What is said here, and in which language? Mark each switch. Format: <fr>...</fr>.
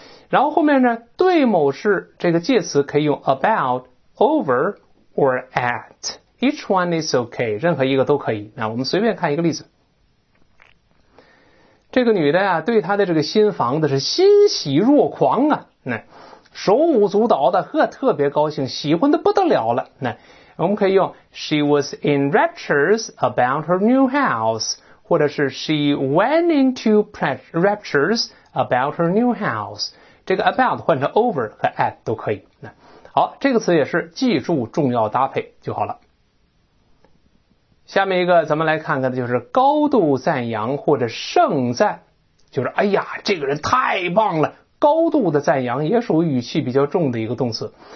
<zh>然后后面呢，对某事这个介词可以用 about、over or at，</zh> <en>each one is okay，</en> <zh>任何一个都可以。那我们随便看一个例子，这个女的啊，对她的这个新房子是欣喜若狂啊，那手舞足蹈的，特别高兴，喜欢的不得了了。那我们可以用</zh> <en>she was in raptures about her new house，</en> <zh>或者是</zh> <en>she went into raptures about her new house。</en> <zh>这个 about 换成 over 和 at 都可以。那好，这个词也是记住重要搭配就好了。下面一个咱们来看看的就是高度赞扬或者盛赞，就是哎呀这个人太棒了，高度的赞扬也属于语气比较重的一个动词。</zh>